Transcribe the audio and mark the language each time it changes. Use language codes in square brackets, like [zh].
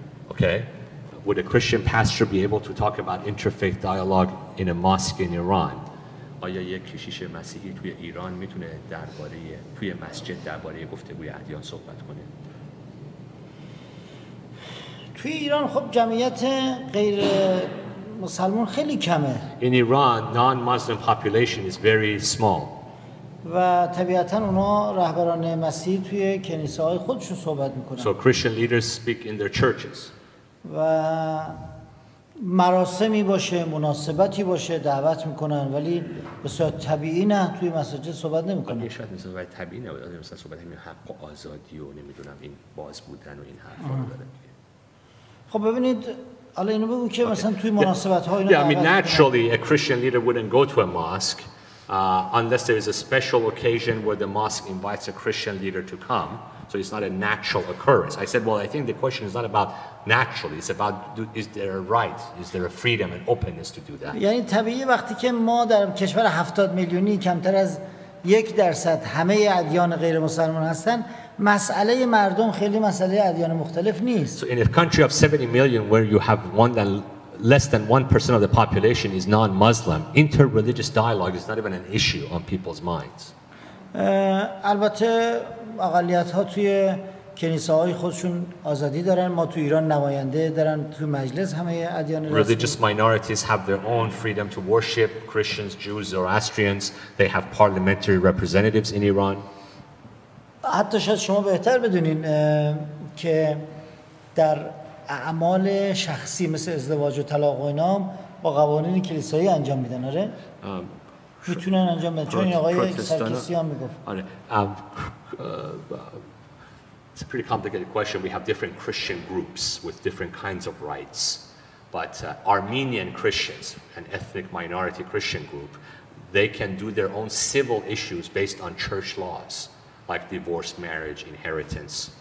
[en] Okay. Would a Christian pastor be able to talk about interfaith dialogue in a mosque in Iran? [fa] آیا یک کشیش مسیحی توی ایران میتونه درباره توی مسجد درباره گفتگوی ادیان صحبت کنه؟ توی ایران خب جمعیت غیر مسلمان خیلی کمه. [en] In Iran, non-Muslim population is very small. [fa] و طبیعتاً اونا رهبران مسیحی توی کلیساهای خودشون صحبت میکنن. [en] So Christian leaders speak in their churches. [fa] و مراسمی باشه مناسبتی باشه دعوت میکنن ولی به صورت طبیعی نه توی مسجد صحبت نمیکنن شاید مثلا باید طبیعی نبود مثلا صحبت همین حق و آزادی و نمیدونم این باز بودن و این حرفا رو دارن خب ببینید حالا اینو بگو که مثلا توی مناسبت ها اینا [en] yeah, I mean naturally a Christian leader wouldn't go to a mosque unless there is a special occasion where the mosque invites a Christian leader to come So it's not a natural occurrence. I said, well, I think the question is not about naturally. It's about is there a right, is there a freedom and openness to do that? [fa] یعنی طبیعی وقتی که ما در کشور 70 میلیونی کمتر از 1% همه ادیان غیر مسلمان هستن، مسئله مردم خیلی مسئله ادیان مختلف نیست. [en] So in a country of 70 million where you have less than 1% of the population is non-Muslim, inter-religious dialogue is not even an issue on people's minds. [fa] البته اقلیت ها توی کنیسه های خودشون آزادی دارن ما توی ایران نماینده دارن توی مجلس همه ادیان رسمی [en] Religious minorities have their own freedom to worship Christians, Jews, Zoroastrians They have parliamentary representatives in Iran [fa] حتی شاید شما بهتر بدونین که در اعمال شخصی مثل ازدواج و طلاق و اینا با قوانین کلیسایی انجام میدن آره؟ میتونن انجام بدن چون این آقای سرکیسی هم میگفت [en] آره it's a pretty complicated question. We have different Christian groups with different kinds of rights, but Armenian Christians, an ethnic minority Christian group, they can do their own civil issues based on church laws, like divorce, marriage, inheritance.